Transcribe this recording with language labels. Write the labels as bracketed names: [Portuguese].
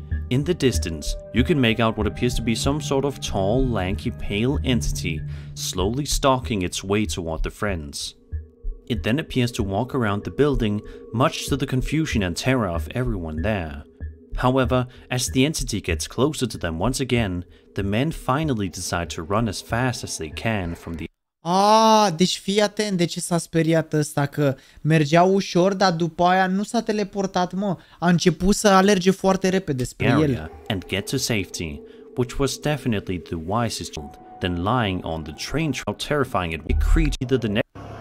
[English] In the distance, you can make out what appears to be some sort of tall, lanky, pale entity, slowly stalking its way toward the friends. It then appears to walk around the building, much to the confusion and terror of everyone there. However, as the entity gets closer to them once again, the men finally decide to run as fast as they can from the [Romanian] Aaa, deci fii atent de ce s-a speriat ăsta, că mergea ușor, dar după aia nu s-a teleportat, mă. A început să alerge foarte repede spre el. [English] And get to safety, which was definitely the wisest choice. Then lying on the train track, terrifying it, it creaked either the next...